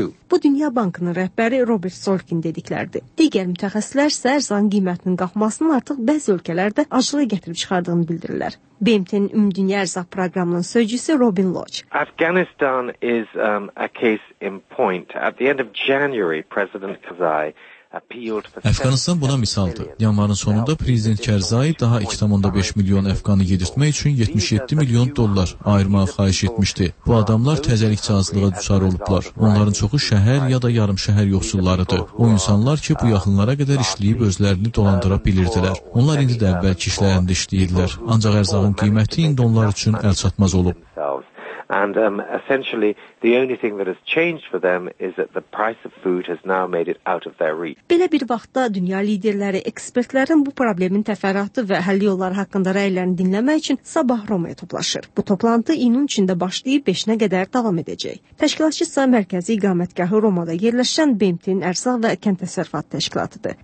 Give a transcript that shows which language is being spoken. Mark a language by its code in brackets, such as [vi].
[az] Bu Dünya Bankının rəhbəri Robert Sorkin dediklərdir. Digər mütəxəssislər isə ərzağın qiymətinin qalxmasının artıq bəzi ölkələrdə aclığı gətirib çıxardığını bildirirlər. BMT-nin Ümumdünya Ərzaq Proqramının sözcüsü Robin Lodge. [en] Afghanistan is a case in point. At the end of January, President Karzai [az] Əfqanistan buna misaldır. Yanvarın sonunda Prezident Kərzai daha 2,5 milyon əfqanı yedirtmək üçün 77 milyon dollar ayırmağı xahiş etmişdi. Bu adamlar təzəlikçi azlığa düşar olublar. Onların çoxu şəhər ya da yarım şəhər yoxsullarıdır. O insanlar ki, bu yaxınlara qədər işləyib özlərini dolandıra bilirdilər. Onlar indi də əvvəlki işləyəndə işləyirlər. Ancaq ərzağın qiyməti indi onlar üçün əlçatmaz olub. [en] Essentially, the only thing that has changed for them is that the price of food has now made it out of their reach. [az] Belə bir vaxtda dünya liderləri ekspertlərin bu problemin təfərrüatı və həll yolları haqqında rəylərini dinləmək üçün sabah Romaya toplaşır. Bu toplantı iyunun içində başlayıb 5-nə qədər davam edəcək. Təşkilatçısı mərkəzi iqamətgahı Romada yerləşən BMT-nin ərzaq və kənd təsərrüfatı təşkilatıdır.